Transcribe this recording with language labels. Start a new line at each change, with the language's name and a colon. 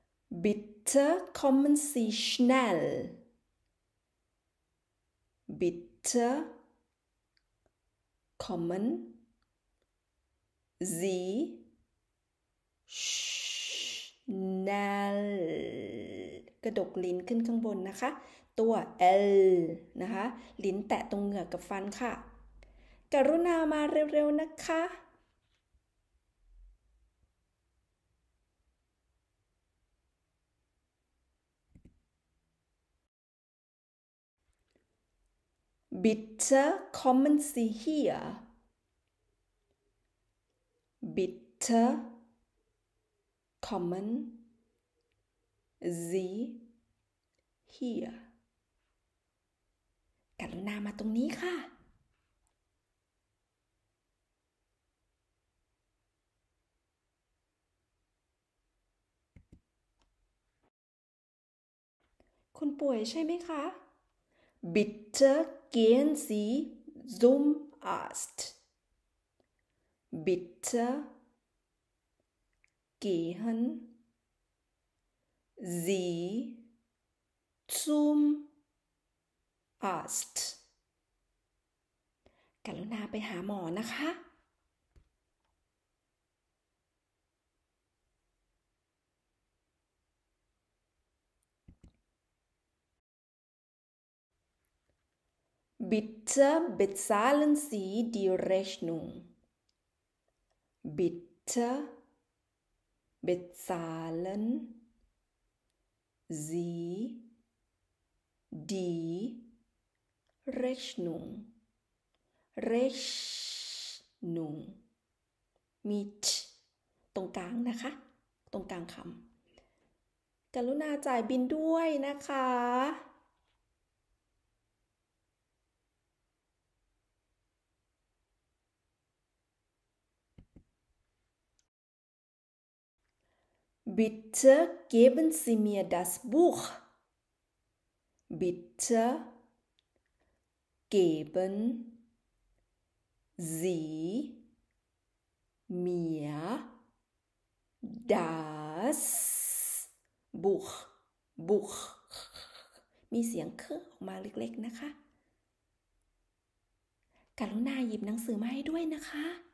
German: Bitte kommen Sie schnell. Bitte kommen Sie schnell.
Thai: กระดกลิ้นขึ้นข้างบนนะคะตัว L นะคะลิ้นแตะตรงเหงือกกับฟันค่ะกรุณามาเร็วๆนะคะ
German: Bitte kommen Sie hier. Bitte kommen Sie hier.
Thai: กรุณามาตรงนี้ค่ะ คุณป่วยใช่ไหมคะ
German: Bitte gehen Sie zum Arzt. Bitte gehen Sie zum Arzt.
Thai: กรุณาไปหาหมอนะคะ
German: Bitte bezahlen Sie die Rechnung. Bitte bezahlen Sie die Rechnung. Rechnung. Mit.
Thai: ตรงกลางนะคะตรงกลางคำกรุณาจ่ายบิลด้วยนะคะ
German: Bitte geben Sie mir das Buch. Bitte geben Sie mir das Buch. Buch.
Thai: มีเสียงคือออกมาเล็กๆนะคะกรุณาหยิบหนังสือมาให้ด้วยนะคะ